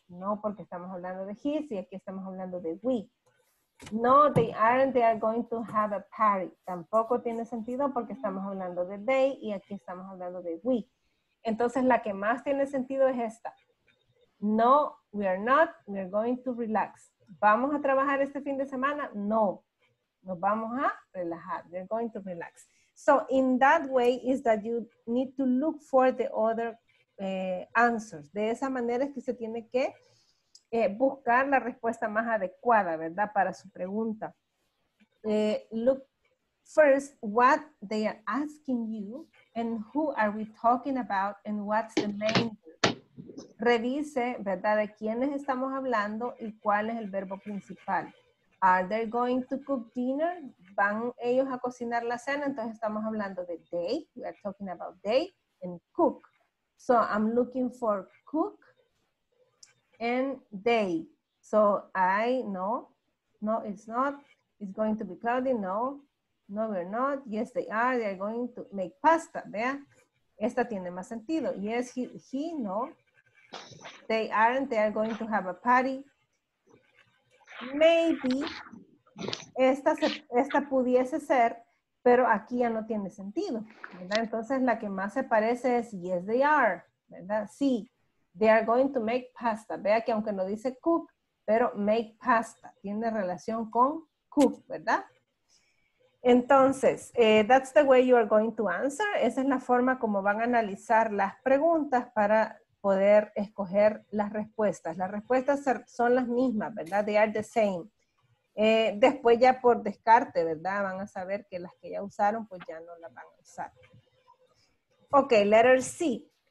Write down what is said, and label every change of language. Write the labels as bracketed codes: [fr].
[es] No, porque estamos hablando de his y aquí estamos hablando de we. [en] No, they aren't, they are going to have a party. [es] Tampoco tiene sentido porque estamos hablando de they y aquí estamos hablando de we. Entonces, la que más tiene sentido es esta. [en] No, we are not, we are going to relax. [es] ¿Vamos a trabajar este fin de semana? No, nos vamos a relajar. [en] We are going to relax. So, in that way is that you need to look for the other answers. [es] De esa manera es que se tiene que buscar la respuesta más adecuada, ¿verdad? Para su pregunta. [en] Look first what they are asking you and who are we talking about and what's the main verb. [es] Revise, ¿verdad? De quiénes estamos hablando y cuál es el verbo principal. [en] Are they going to cook dinner? [es] ¿Van ellos a cocinar la cena? Entonces estamos hablando de they. [en] We are talking about they and cook. So I'm looking for cook. And they, so I, no, no, it's not, it's going to be cloudy, no, no, we're not, yes, they are going to make pasta, [es] vea, esta tiene más sentido, [en] yes, he, no, they aren't, they are going to have a party, maybe, [es] esta pudiese ser, pero aquí ya no tiene sentido, ¿verdad? Entonces la que más se parece es, [en] yes, they are, [es] ¿verdad? Sí. [en] They are going to make pasta. [es] Vea que aunque no dice cook, pero make pasta. Tiene relación con cook, ¿verdad? [en] Entonces, that's the way you are going to answer. [es] Esa es la forma como van a analizar las preguntas para poder escoger las respuestas. Las respuestas son las mismas, ¿verdad? [en] They are the same. [es] Después ya por descarte, ¿verdad? Van a saber que las que ya usaron, pues ya no las van a usar. [en] Ok, letter C.